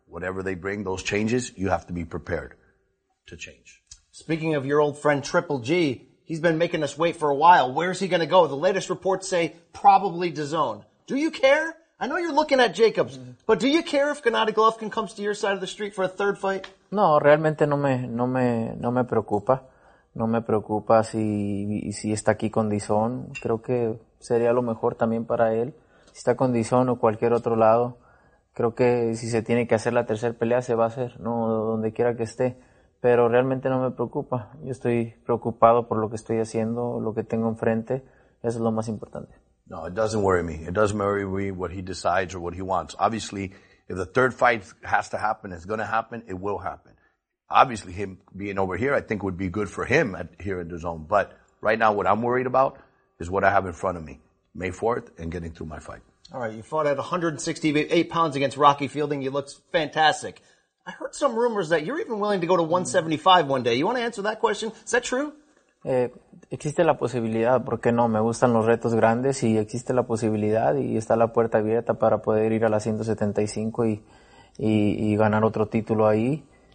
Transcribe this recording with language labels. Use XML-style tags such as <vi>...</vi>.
<en>Whatever they bring, those changes, you have to be prepared to change. Speaking of your old friend Triple G, he's been making us wait for a while. Where's he going to go? The latest reports say probably DAZN. Do you care? I know you're looking at Jacobs, but do you care if Gennady Golovkin comes to your side of the street for a third fight?</en> <es>No, realmente no me preocupa. No me preocupa si está aquí con DAZN. Creo que sería lo mejor también para él. Si está con DAZN o cualquier otro lado, creo que si se tiene que hacer la tercera pelea, se va a hacer, no, donde quiera que esté. Pero realmente no me preocupa. Yo estoy preocupado por lo que estoy haciendo, lo que tengo enfrente. Eso es lo más importante.</es> <en>No, it doesn't worry me. It doesn't worry me what he decides or what he wants. Obviously, if the third fight has to happen, it's going to happen, it will happen. Obviously, him being over here, I think would be good for him here in DAZN. But right now, what I'm worried about is what I have in front of me, May 4th, and getting through my fight. All right, you fought at 168 pounds against Rocky Fielding. You looked fantastic. I heard some rumors that you're even willing to go to 175 one day. You want to answer that question? Is that true?</en> <es>Existe la posibilidad, ¿por qué no? Me gustan los retos grandes y existe la posibilidad y está la puerta abierta para poder ir a la 175 y ganar otro título ahí.</es>